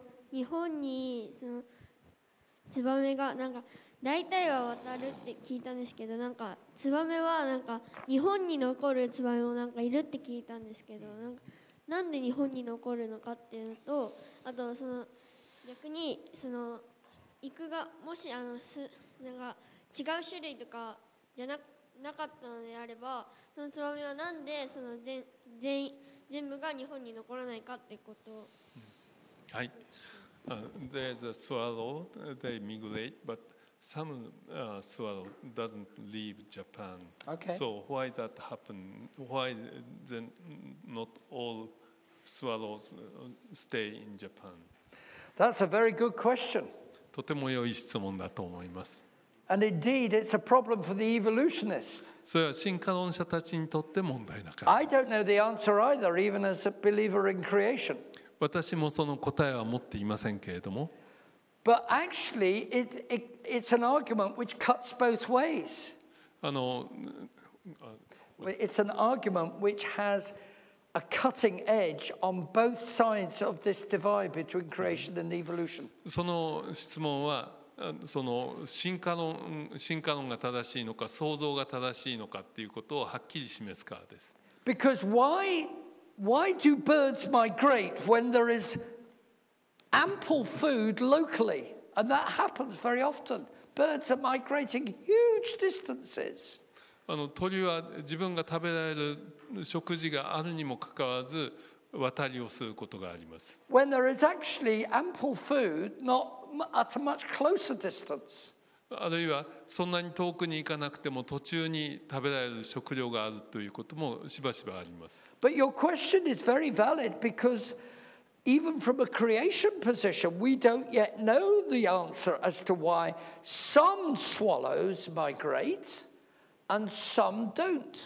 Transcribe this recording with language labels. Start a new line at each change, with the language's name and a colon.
Japanese: 日本にそのツバメがなんか大体は渡るって聞いたんですけど、なんかツバメはなんか日本に残るツバメもなんかいるって聞いたんですけど、なんかなんで日本に残るのかっていうのと、あとその逆にその行くがもしあのすなんか違う種類とかじゃなかったのであれば、そのツバメはなんでその 全部が日本に残らないかってことを。はい。
English: There's a swallow, they migrate, but some swallow doesn't leave Japan. Okay. So why that happen? Why then not all swallows stay in Japan? That's a very good question.
Japanese: とても良い質問だと思います。
English: And indeed, it's a problem for the evolutionist.
Japanese: それは進化論者たちにとって問題だからです。
English: I don't know the answer either, even as a believer in creation.
Japanese: 私もその答えは持っていませんけれども。
English: But actually, it's an argument which cuts both ways. It's an argument which has a cutting edge on both sides of this divide between creation and evolution.
Japanese: その質問は、その進化論が正しいのか、創造が正しいのかっていうことをはっきり示すからです。
English: Because why? Why do birds migrate when there is ample food locally? And that happens very often. Birds are migrating huge distances.
Japanese: 鳥は自分が食べられる食事があるにもかかわらず渡りをすることがあります。
English: When there is actually ample food, not at a much closer distance.
Japanese: あるいはそんなに遠くに行かなくても途中に食べられる食料があるということもしばしばあります。
English: But your question is very valid because even from a creation position, we don't yet know the answer as to why some swallows migrate and some don't.